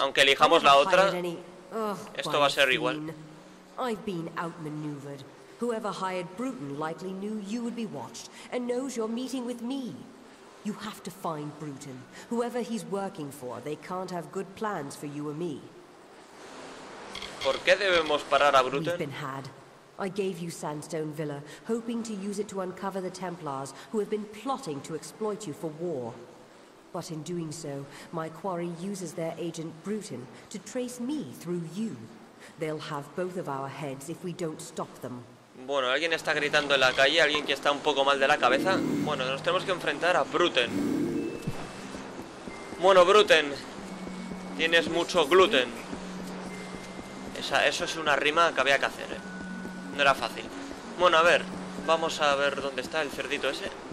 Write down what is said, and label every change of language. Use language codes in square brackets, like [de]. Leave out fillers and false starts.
[es] aunque elijamos la otra, esto va a ser igual. [en] I've been outmaneuvered. Whoever hired Bruten likely knew you would be watched and knows you're meeting with me. You have to find Bruten. Whoever he's working for, they can't have good plans for you or me. [es] ¿Por qué debemos parar a Bruten? [en] We've been had. I gave you Sandstone Villa, hoping to use it to uncover the Templars who have been plotting to exploit you for war. But in doing so, my quarry uses their agent Bruten to trace me through you. They'll have both of our heads if we don't stop them. [es] Bueno, alguien está gritando en la calle, alguien que está un poco mal de la cabeza. Bueno, nos tenemos que enfrentar a Bruten. Bueno, Bruten, tienes mucho gluten. Eso es una rima que había que hacer, ¿eh? No era fácil. Bueno, a ver, vamos a ver dónde está el cerdito ese.